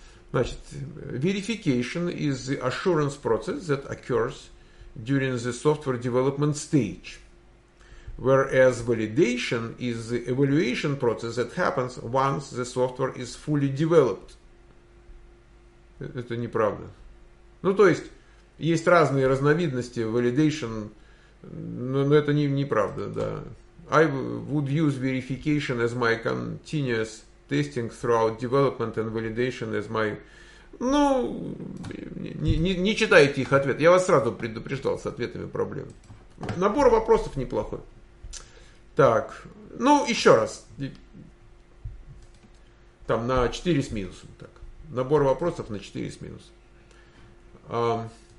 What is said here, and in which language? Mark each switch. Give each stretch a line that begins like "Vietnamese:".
English: Значит, verification is the assurance process that occurs during the software development stage. Whereas validation is the evaluation process that happens once the software is fully developed.
Russian: Это неправда. Ну, то есть, есть разные разновидности validation, но это неправда, да.
English: I would use verification as my continuous testing throughout development and validation as my...
Russian: Ну, не читайте их ответ. Я вас сразу предупреждал с ответами проблем. Набор вопросов неплохой. Так, ну, еще раз. Там на 4 с минусом. Так. Набор вопросов на 4 с минусом.